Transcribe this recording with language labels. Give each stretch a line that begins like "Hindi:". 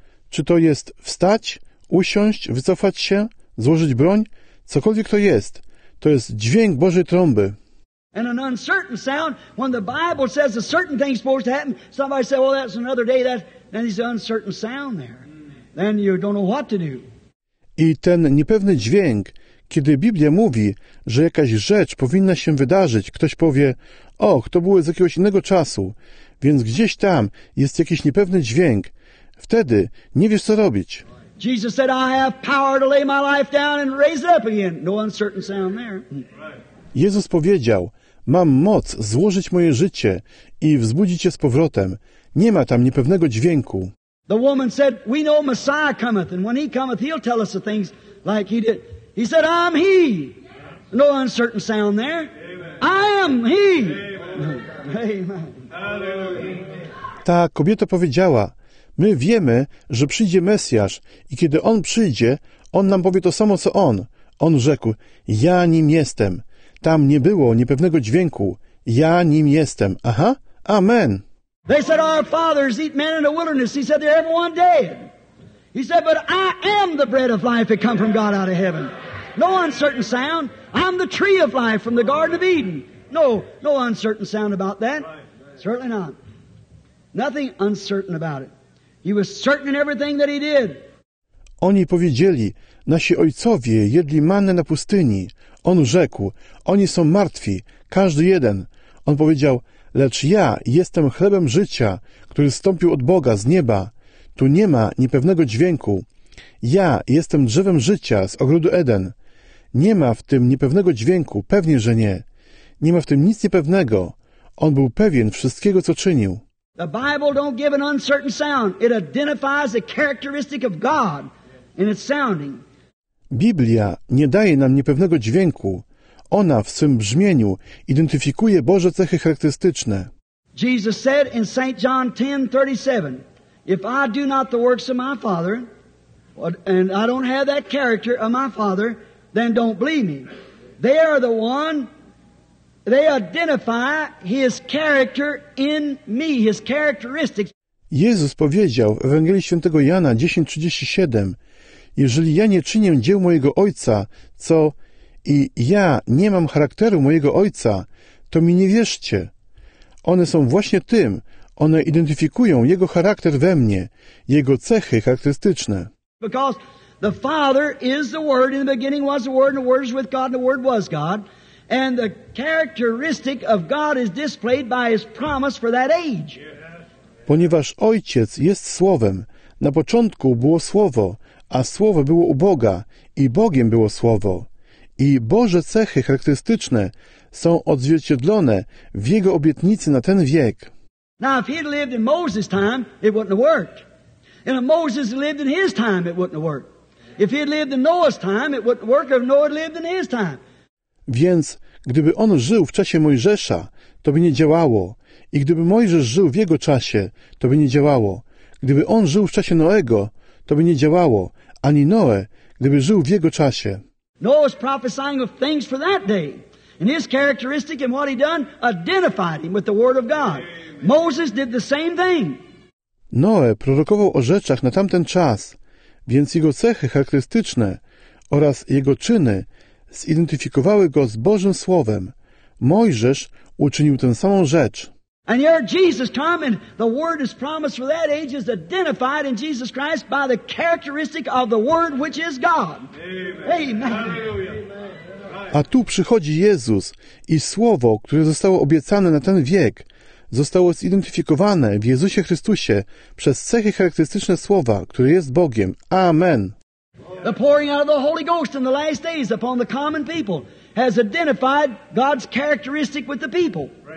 Polish: Czy to jest wstać, usiąść, wycofać się? Złożyć broń? Cokolwiek to jest dźwięk Bożej trąby.
English: And an uncertain sound, when the Bible says a certain thing's supposed to happen, somebody says, well, that's another day, then there's an uncertain sound there. Then you don't know what to do.
Polish: I ten niepewny dźwięk, kiedy Biblia mówi, że jakaś rzecz powinna się wydarzyć, ktoś powie, och, to było z jakiegoś innego czasu, więc gdzieś tam jest jakiś niepewny dźwięk, wtedy nie wiesz, co robić.
English: Jesus said, I have power to lay my life down and raise it up again. No uncertain sound there.
Polish: Jezus powiedział, mam moc złożyć moje życie i wzbudzić je z powrotem. Nie ma tam niepewnego dźwięku.
English: The woman said, we know Messiah cometh, and when he cometh, he'll tell us the things like he did. He said, I'm he. No uncertain sound there. Amen. I am he. Amen. Amen. Hallelujah.
Polish: Ta kobieta powiedziała: my wiemy, że przyjdzie Mesjasz i kiedy On przyjdzie, On nam powie to samo, co On. On rzekł: ja Nim jestem. Tam nie było niepewnego dźwięku. Ja Nim jestem. Aha, amen.
English: They said our fathers eat manna in the wilderness. He said they're everyone dead. He said, but I am the bread of life that come from God out of heaven. No uncertain sound. I'm the tree of life from the Garden of Eden. No uncertain sound about that. Certainly not. Nothing uncertain about it. He was certain in everything that he did.
Polish: Oni powiedzieli: nasi ojcowie jedli mannę na pustyni. On rzekł: oni są martwi, każdy jeden. On powiedział: lecz ja jestem chlebem życia, który zstąpił od Boga z nieba. Tu nie ma niepewnego dźwięku. Ja jestem drzewem życia z ogrodu Eden. Nie ma w tym niepewnego dźwięku, pewnie, że nie. Nie ma w tym nic niepewnego. On był pewien wszystkiego, co czynił.
English: The Bible don't give an uncertain sound. It identifies a characteristic of God in its sounding.
Polish: Biblia nie daje nam niepewnego dźwięku. Ona w swym brzmieniu identyfikuje Boże cechy charakterystyczne.
English: Jesus said in St. John 10:37, if I do not the works of my Father, and I don't have that character of my Father, then don't believe me. They are the one. They identify His character in me, His characteristics.
Polish: Jezus powiedział w Ewangelii Świętego Jana 10:37: jeżeli ja nie czynię dzieł mojego Ojca, co i ja nie mam charakteru mojego Ojca, to mi nie wierzcie. One są właśnie tym, one identyfikują Jego charakter we mnie, Jego cechy charakterystyczne.
English: Because the Father is the Word, in the beginning was the Word, and the Word is with God, and the Word was God. And the characteristic of God is displayed by His promise for that age.
Polish: Ponieważ Ojciec jest Słowem, na początku było Słowo, a Słowo było u Boga i Bogiem było Słowo. I Boże cechy charakterystyczne są odzwierciedlone w Jego obietnicy na ten wiek.
English: Now if he'd lived in Moses' time, it wouldn't have worked. And if Moses lived in his time, it wouldn't have worked. If he'd lived in Noah's time, it wouldn't work if Noah lived in his time.
Polish: Więc gdyby on żył w czasie Mojżesza, to by nie działało. I gdyby Mojżesz żył w jego czasie, to by nie działało. Gdyby on żył w czasie Noego, to by nie działało. Ani Noe, gdyby żył w jego czasie.
English: Noah was prophesying of things for that day. And his characteristic and what he done identified him with the word of God. Moses did the same thing.
Polish: Noe prorokował o rzeczach na tamten czas, więc jego cechy charakterystyczne oraz jego czyny zidentyfikowały go z Bożym Słowem. Mojżesz uczynił tę samą rzecz.
English: And here Jesus come and the word is promised for that age is identified in Jesus Christ by the characteristic of the word which is God. Amen. Amen.
Polish: A tu przychodzi Jezus i Słowo, które zostało obiecane na ten wiek, zostało zidentyfikowane w Jezusie Chrystusie przez cechy charakterystyczne Słowa, które jest Bogiem. Amen.
English: The pouring out of the Holy Ghost in the last days upon the common people has identified God's characteristic with the people.